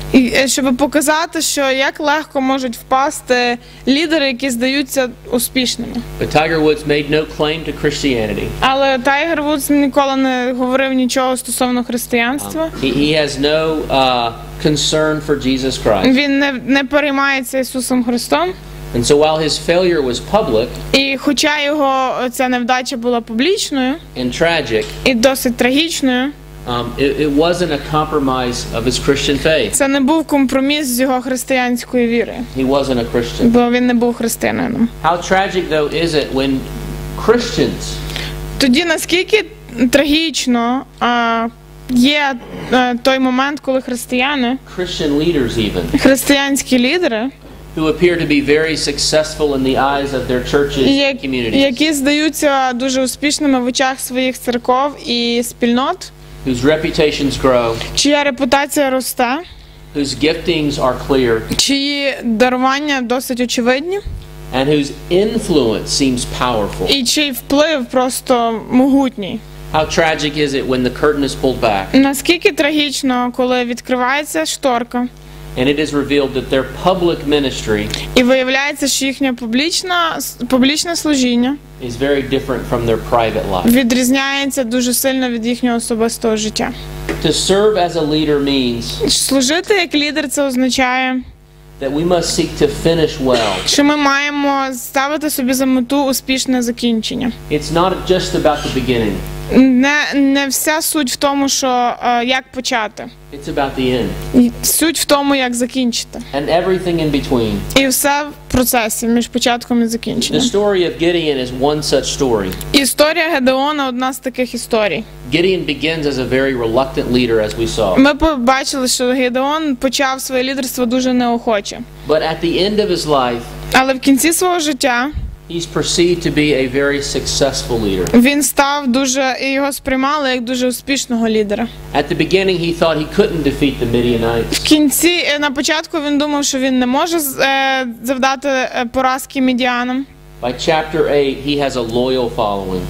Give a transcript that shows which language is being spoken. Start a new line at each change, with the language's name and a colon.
Ukrainian: І щоб показати, що як легко можуть впасти лідери, які здаються успішними.
English: But Tiger Woods made no claim to Christianity.
Ukrainian: Але Тайгер Вудс ніколи не говорив нічого стосовно християнства.
English: He has no concern for Jesus Christ.
Ukrainian: Він не переймається Ісусом Христом.
English: And so while his failure was public,
Ukrainian: і хоча його ця невдача була публічною,
English: and tragic,
Ukrainian: і досить трагічною,
English: it wasn't a compromise of his Christian faith.
Ukrainian: Це не був компроміс з його християнської віри.
English: He wasn't a Christian.
Ukrainian: Бо він не був християнином.
English: How tragic though is it when Christians?
Ukrainian: Тоді наскільки трагічно є той момент, коли християни,
English: Christian leaders even,
Ukrainian: християнські лідери,
English: who appear to be very successful in the eyes of their churches and communities.
Ukrainian: Які здаються дуже успішними в очах своїх церков і спільнот.
English: Whose reputations grow.
Ukrainian: Чия репутація росте.
English: Whose giftings are clear.
Ukrainian: Чиї дарування досить очевидні.
English: And whose influence seems powerful.
Ukrainian: І чий вплив просто могутній.
English: How tragic is it when the curtain is pulled back?
Ukrainian: Наскільки трагічно, коли відкривається шторка.
English: And it is revealed that their public ministry,
Ukrainian: і виявляється, що їхня публічне служіння,
English: is very different from their private life.
Ukrainian: Відрізняється дуже сильно від їхнього особистого життя.
English: To serve as a leader means,
Ukrainian: служити як лідер, це означає,
English: that we must seek to finish well.
Ukrainian: Що ми маємо ставити собі за мету успішне закінчення.
English: It's not just about the beginning.
Ukrainian: Не вся суть в тому, що як почати.
English: It's about the end.
Ukrainian: Суть в тому, як закінчити.
English: And everything in between.
Ukrainian: І все в процесі між початком і закінченням.
English: The story of Gideon is one such story.
Ukrainian: Історія Гедеона одна з таких історій.
English: Gideon begins as a very reluctant leader, as we saw.
Ukrainian: Ми побачили, що Гедеон почав своє лідерство дуже неохоче.
English: But at the end of his life,
Ukrainian: але в кінці свого життя,
English: he's perceived to be a very successful leader.
Ukrainian: Він став дуже, і його сприймали як дуже успішного лідера.
English: At the beginning he thought he couldn't defeat the Midianites.
Ukrainian: В кінці, на початку він думав, що він не може завдати поразки Мідіанам.
English: By chapter 8 he has a loyal following.